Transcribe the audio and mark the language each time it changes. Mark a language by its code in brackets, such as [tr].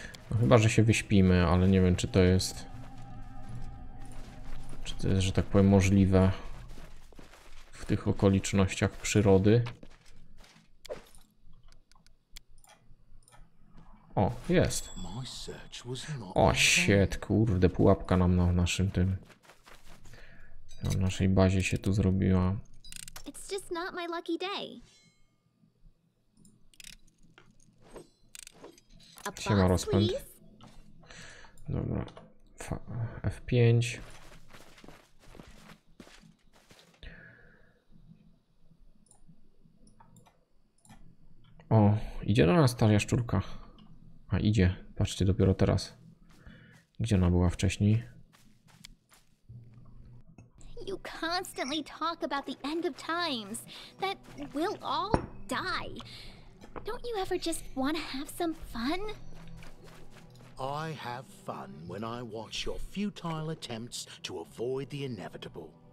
[pl] No chyba, że się wyśpimy, ale nie wiem, czy to jest, że tak powiem, możliwe w tych okolicznościach przyrody. O, jest. O, shit, kurde, pułapka nam na naszym tym... Na naszej bazie się tu zrobiła. [en] It's just not my lucky day. [pl] Siema, rozpęd. Dobra, F5. O, idzie do nas ta jaszczurka. A idzie, patrzcie, dopiero teraz. Gdzie ona była wcześniej? [en] You constantly talk about the end of times, that we'll all die. Don't you ever just want to have some fun? I have fun when I watch your futile attempts to avoid the inevitable.